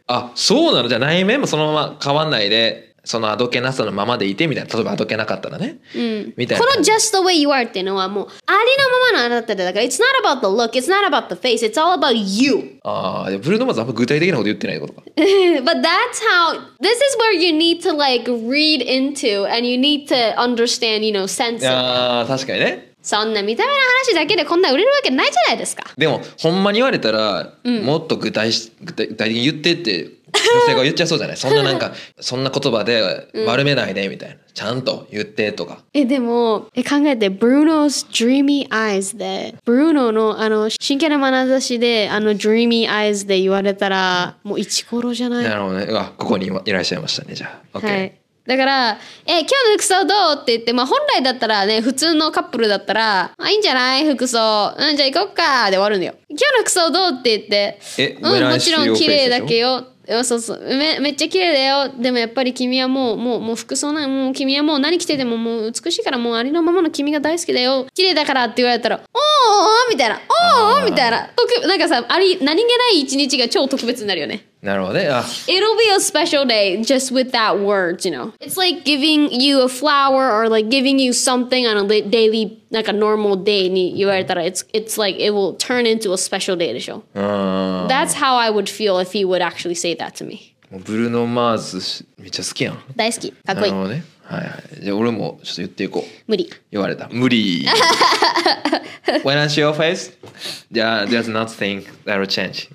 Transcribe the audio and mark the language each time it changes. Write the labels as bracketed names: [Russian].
[Japanese] あ、そうなの。じゃあ内面もそのまま変わんないで、そのあどけなさのままでいてみたいな、例えばあどけなかったらね、うん、みたいな。この [English] just the way you are [Japanese] っていうのはもうありのままのあなたで、だから [English] it's not about the look, it's not about the face, it's all about you. [Japanese] ああ、ブルーノマーズあんま具体的なこと言ってないことか。 [English] But that's how, this is where you need to like read into and you need to understand, you know, sense. [Japanese] ああ、確かにね。そんな見た目の話だけでこんな売れるわけないじゃないですか。でもほんまに言われたら、うん、もっと具体的に言ってって女性が言っちゃそうじゃない。そんななんかそんな言葉で悪めないでみたいな、うん、ちゃんと言ってとか。え、でも考えて、ブルーノ's [English] dreamy eyes [Japanese] で、ブルーノのあの真剣な眼差しで、あの dreamy eyes で言われたら、もう一頃じゃない。なるほどね。うわ、ここにいらっしゃいましたね。じゃあ、 OK、はい。だから、え、今日の服装どうって言って、まあ本来だったらね、普通のカップルだったら、あ、いいんじゃない服装、うん、じゃあ行こっかで終わるんだよ。今日の服装どうって言って、え、うん、もちろん綺麗だけよ、そうそう、 めっちゃ綺麗だよ、でもやっぱり君はもう服装ない、もう君はもう何着ててももう美しいから、もうありのままの君が大好きだよ、綺麗だからって言われたら、おーおーみたいな、おーおーみたいな、なんかさ、あり、何気ない一日が超特別になるよね。なるほどね。あ、 [English] It'll be a special day just with that word, you know. It's like giving you a flower or like giving you something on a daily, like a normal day [Japanese] に言われたら、 [English] it's like it will turn into a special day [Japanese] でしょ。 [English] That's how I would feel if he would actually say that to me. [Japanese] もうブルーノ・マーズめっちゃ好きやん。大好き。かっこいい。なるほどね。はいはい。じゃあ俺もちょっと言っていこう。無理。言われた。無理。 [English] When I see your face, yeah, there's nothing that will change.